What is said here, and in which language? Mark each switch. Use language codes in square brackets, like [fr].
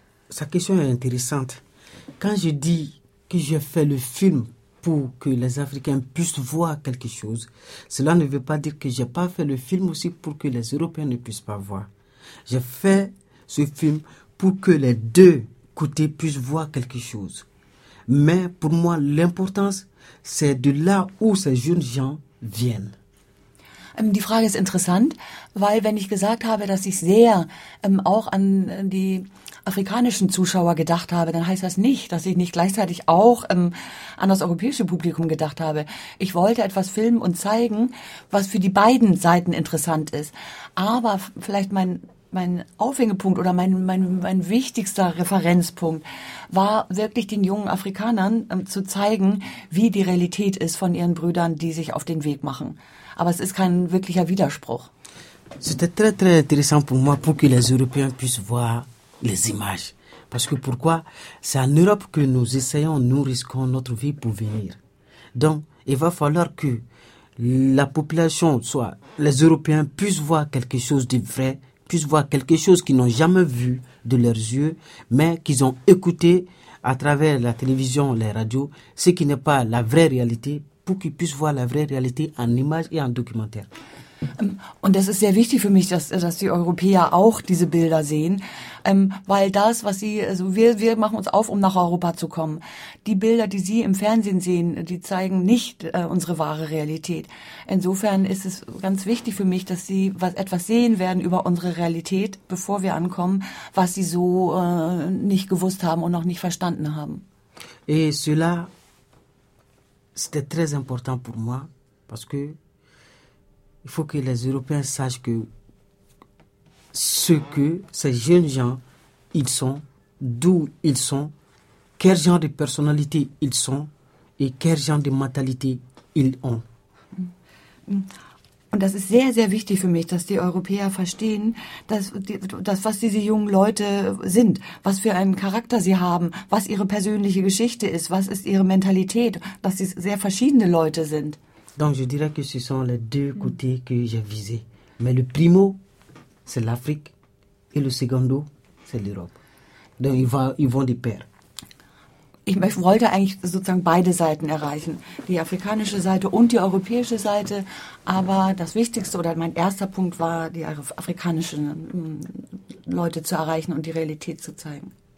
[fr] Sa question est intéressante. Quand je dis que j'ai fait le film pour que les Africains puissent voir quelque chose, cela ne veut pas dire que je n'ai pas fait le film aussi pour que les Européens ne puissent pas voir. J'ai fait ce film pour que les deux côtés puissent voir quelque chose. Mais pour moi, l'importance, c'est de là où ces jeunes gens viennent. [de] Die Frage ist interessant, weil wenn ich gesagt habe, dass ich sehr auch an die afrikanischen Zuschauer gedacht habe, dann heißt das nicht, dass ich nicht gleichzeitig auch an das europäische Publikum gedacht habe. Ich wollte etwas filmen und zeigen, was für die beiden Seiten interessant ist. Aber vielleicht mein Aufhängepunkt oder mein wichtigster Referenzpunkt war wirklich den jungen Afrikanern zu zeigen, wie die Realität ist von ihren Brüdern, die sich auf den Weg machen. Aber es ist kein wirklicher Widerspruch. [fr] C'était très très intéressant pour moi pour que les Européens puissent voir les images. Parce que pourquoi? C'est en Europe que nous essayons, nous risquons notre vie pour venir. Donc, il va falloir que la population, soit les Européens, puissent voir quelque chose de vrai, puissent voir quelque chose qu'ils n'ont jamais vu de leurs yeux, mais qu'ils ont écouté à travers la télévision, les radios, ce qui n'est pas la vraie réalité, pour qu'ils puissent voir la vraie réalité en images et en documentaires. [de] Und das ist sehr wichtig für mich, dass die Europäer auch diese Bilder sehen, weil das, was sie, also wir machen uns auf, um nach Europa zu kommen. Die Bilder, die sie im Fernsehen sehen, die zeigen nicht unsere wahre Realität. Insofern ist es ganz wichtig für mich, dass sie etwas sehen werden über unsere Realität, bevor wir ankommen, was sie so nicht gewusst haben und noch nicht verstanden haben. [fr] Et cela, c'était très important pour moi, parce que il faut que les Européens sachent que ce que ces jeunes gens, ils sont, d'où ils sont, quel genre de personnalité ils sont et quel genre de mentalité ils ont. [de] Und das ist sehr, sehr wichtig für mich, dass die Europäer verstehen, dass was diese jungen Leute sind, was für einen Charakter sie haben, was ihre persönliche Geschichte ist, was ist ihre Mentalität, dass sie sehr verschiedene Leute sind. [fr] Donc je dirais que ce sont les deux côtés que j'ai visés. Mais le primo, c'est l'Afrique, et le secondo, c'est l'Europe. Donc ils vont de pair. [de] Ich wollte eigentlich sozusagen beide Seiten erreichen, die afrikanische Seite und die europäische Seite. Aber das Wichtigste oder mein erster Punkt war, die afrikanischen Leute zu erreichen und die Realität zu zeigen.